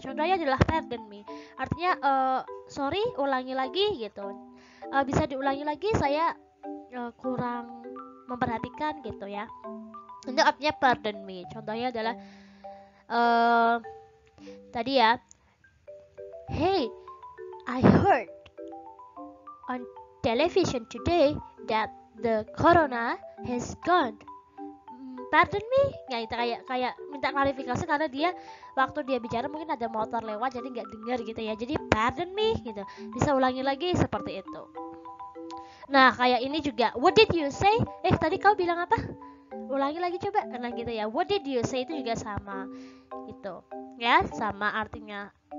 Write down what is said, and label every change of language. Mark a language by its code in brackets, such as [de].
[id] Contohnya adalah [en] pardon me, [id] artinya sorry, ulangi lagi gitu. Bisa diulangi lagi, saya kurang memperhatikan gitu ya. Itu artinya [en] pardon me. [id] Contohnya adalah tadi ya, hey, [en] I heard on television today that the corona has gone. Pardon me, [id] ya itu kayak minta klarifikasi karena dia waktu dia bicara mungkin ada motor lewat jadi nggak dengar gitu ya. Jadi [en] pardon me [id] gitu, bisa ulangi lagi seperti itu. Nah kayak ini juga, [en] what did you say? [id] Tadi kau bilang apa? Ulangi lagi coba, nah gitu ya. [en] What did you say [id] itu juga sama itu, ya sama artinya.